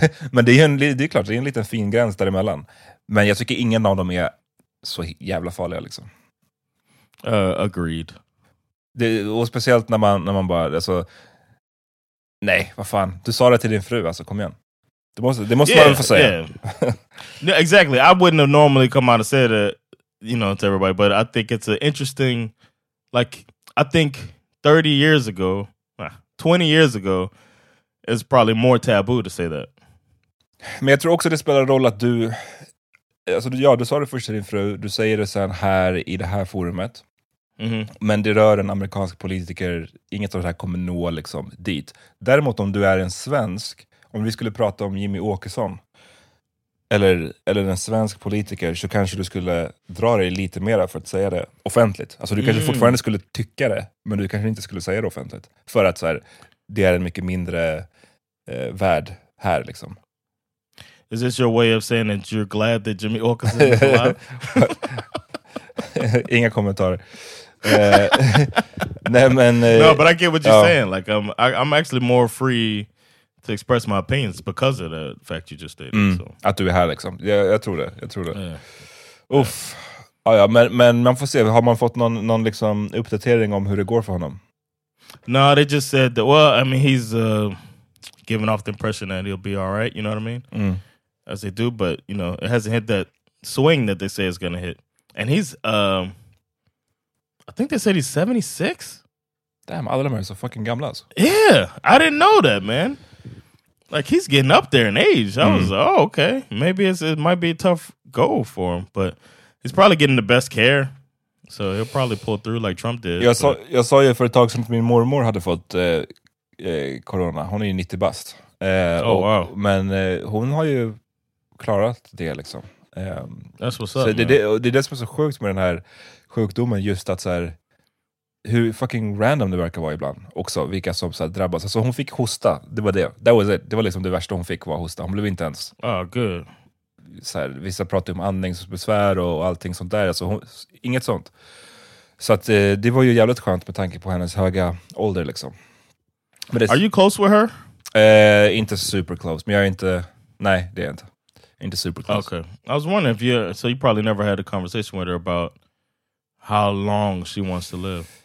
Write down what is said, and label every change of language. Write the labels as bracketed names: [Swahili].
[Swedish] Men det är klart, det är en liten fin gräns däremellan. Men jag tycker ingen av dem är så jävla farliga liksom. [English] Agreed. [Swedish] Och speciellt när man bara, alltså, nej, vad fan, du sa det till din fru, alltså kom igen. Det måste man få säga. [English] Yeah. No, exactly. I wouldn't have normally come out and said it, you know, to everybody, but I think it's an interesting, like, I think 30 years ago, 20 years ago, it's probably more taboo to say that. [Swedish] Men jag tror också det spelar roll att du, alltså, ja, du sa det först till din fru, du säger det sen här i det här forumet. Mm-hmm. Men det rör en amerikansk politiker, inget av det här kommer nå liksom dit. Däremot om du är en svensk, om vi skulle prata om Jimmy Åkesson eller en svensk politiker, så kanske du skulle dra dig lite mer för att säga det offentligt. Alltså du kanske fortfarande skulle tycka det, men du kanske inte skulle säga det offentligt. För att så här, det är en mycket mindre värld här liksom. [English] Is this your way of saying that you're glad that Jimmy Åkesson is alive? [Swedish] Inga kommentarer. Nej, men, [English] no, but I get what you're saying. Like I'm actually more free to express my opinions because of the fact you just stated. So. [Swedish] Att du är här liksom. Jag tror det. [English] Yeah. [Swedish] Uff. Yeah. Ah, ja, men man får se, har man fått någon liksom uppdatering om hur det går för honom? [English] No, they just said that, well, I mean, he's giving off the impression that he'll be all right, you know what I mean? Mm. As they do, but you know, it hasn't hit that swing that they say is going to hit. And he's I think they said he's 76. Damn, all of them are so fucking [Swedish] gamla. [English] Yeah, I didn't know that, man. Like, he's getting up there in age. I was like, oh, okay. Maybe it might be a tough go for him. But he's probably getting the best care. So he'll probably pull through like Trump did. [Swedish] Jag sa ju för ett tag sedan att min mormor hade fått corona. Hon är ju 90 bast. [English] Wow. [Swedish] Men hon har ju klarat det liksom. [English] That's what's up, [Swedish] så [English] man. [Swedish] Det är det som är så sjukt med den här sjukdomen. Just att så här, hur fucking random det verkar vara ibland också, vilka som så här drabbas. Alltså hon fick hosta, det var det. [English] That was it. [Swedish] Det var liksom det värsta hon fick, var hosta. Hon blev inte ens så här, vissa pratade om andningsbesvär och allting sånt där, alltså hon, inget sånt. Så att det var ju jävligt skönt med tanke på hennes höga ålder liksom. Men det, [English] are you close with her? [Swedish] Inte super close, men jag är inte, nej, det är inte. Inte super close. [English] Okay. I was wondering if you, so you probably never had a conversation with her about how long she wants to live.